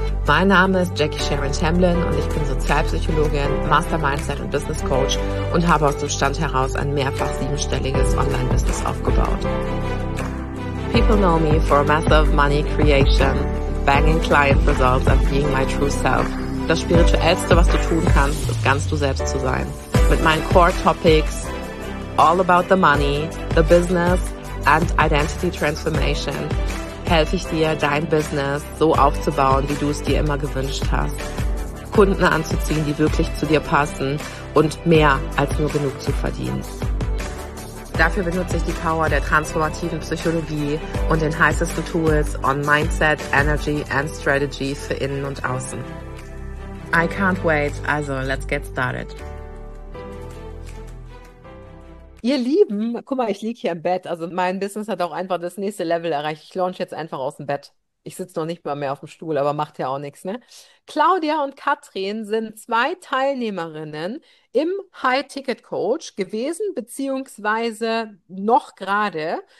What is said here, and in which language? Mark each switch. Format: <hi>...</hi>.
<de>Mein Name ist Jackie Sharon Tamblyn und ich bin Sozialpsychologin, Master Mindset und Business Coach und habe aus dem Stand heraus ein mehrfach siebenstelliges Online-Business aufgebaut.</de> <en>People know me for massive money creation, banging client results and being my true self.</en> <de>Das Spirituellste, was du tun kannst, ist ganz du selbst zu sein. Mit meinen Core Topics,</de> <en>all about the money, the business and identity transformation,</en> <de>helfe ich dir, dein Business so aufzubauen, wie du es dir immer gewünscht hast. Kunden anzuziehen, die wirklich zu dir passen und mehr als nur genug zu verdienen. Dafür benutze ich die Power der transformativen Psychologie und den heißesten Tools</de> <en>on Mindset, Energy and Strategy</en> <de>für innen und außen.</de> <en>I can't wait, also let's get started.</en> <de>Ihr Lieben, guck mal, ich liege hier im Bett. Also mein Business hat auch einfach das nächste Level erreicht. Ich launch jetzt einfach aus dem Bett. Ich sitze noch nicht mal mehr auf dem Stuhl, aber macht ja auch nichts, ne? Claudia und Katrin sind zwei Teilnehmerinnen im High-Ticket-Coach gewesen, beziehungsweise noch gerade.</de>